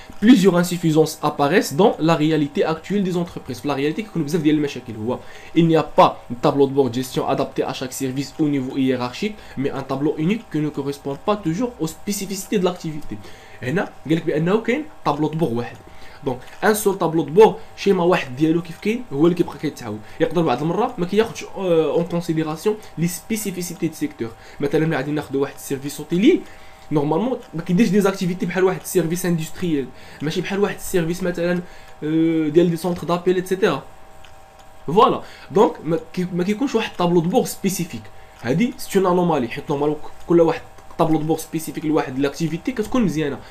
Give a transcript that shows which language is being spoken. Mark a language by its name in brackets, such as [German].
[French] Plusieurs insuffisances apparaissent dans la réalité actuelle des entreprises. La réalité que nous avons dit, il n'y a pas de tableau de bord de gestion adapté à chaque service au niveau hiérarchique, mais un tableau unique qui ne correspond pas toujours aux spécificités de l'activité. Et là, il y a un tableau de bord. [Arabic] Donc, un seul tableau de bord, schéma واحد ديالو كيف كاين هو اللي كيبقى كيتعاود. يقدر بعض المرات ما كياخذش en considération les spécificités de secteur. مثلا ملي غادي ناخذ واحد السيرفيس اوتيلي normalement ما كيديرش des activités بحال واحد السيرفيس industriel, ماشي بحال واحد السيرفيس مثلا ديال دي سونتر دابيل ايت سيتيرا. [French] Voilà. Donc, ما كيكونش واحد tableau de bord spécifique. هذه c'est une anomalie حيت normalement كل واحد tableau de bord spécifique لواحد l'activité كتكون مزيانه.